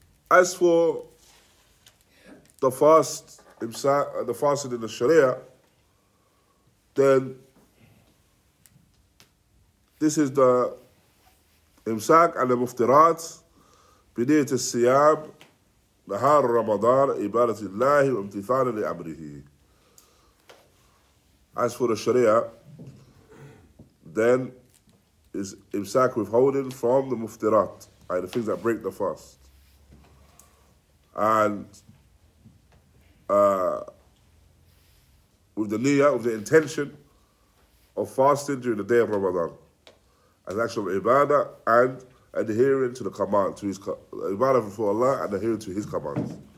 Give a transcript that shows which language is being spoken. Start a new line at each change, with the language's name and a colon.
English: As for the fast imsak, the fasting in the Sharia, then this is the imsak and the muftirat.
Arabic: بنيت الصيام نهار رمضان عبادة الله وامتثال لأمره.
English: As for the Sharia, then is imsak withholding from the muftirat, like the things that break the fast. And with the niyyah, with the intention of fasting during the day of Ramadan, as an action of ibadah and adhering to the command, to his ibadah before Allah and adhering to his commands.